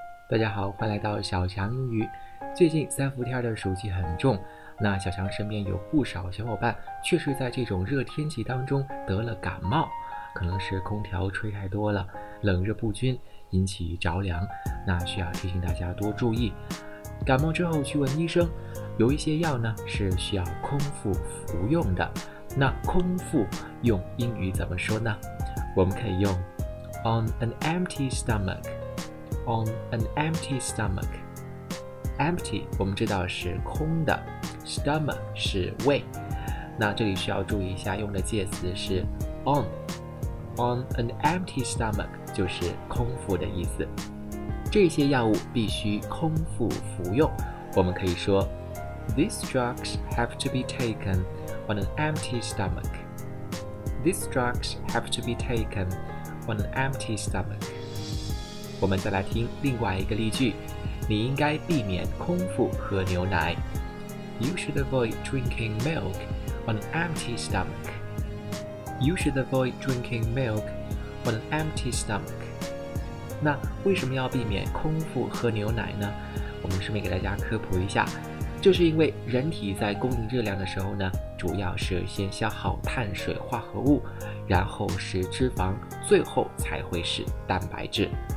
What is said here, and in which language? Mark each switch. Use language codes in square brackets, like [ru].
[zh] 大家好，欢迎来到小强英语。最近三伏天的暑气很重，那小强身边有不少小伙伴确实在这种热天气当中得了感冒，可能是空调吹太多了，冷热不均引起着凉，那需要提醒大家多注意。感冒之后去问医生，有一些药呢是需要空腹服用的，那空腹用英语怎么说呢？我们可以用 [en] on an empty stomach， on an empty stomach。 [zh] empty 我们知道是空的， stomach 是胃，那这里需要注意一下用的介词是 on， on an empty stomach 就是空腹的意思。这些药物必须空腹服用，我们可以说 [en] These drugs have to be taken on an empty stomach. These drugs have to be taken on an empty stomach. [zh] 我们再来听另外一个例句，你应该避免空腹喝牛奶。 [en] You should avoid drinking milk on an empty stomach. You should avoid drinking milk on an empty stomach. [zh] 那为什么要避免空腹喝牛奶呢？我们顺便给大家科普一下，就是因为人体在供应热量的时候呢，主要是先消耗碳水化合物，然后是脂肪，最后才会是蛋白质。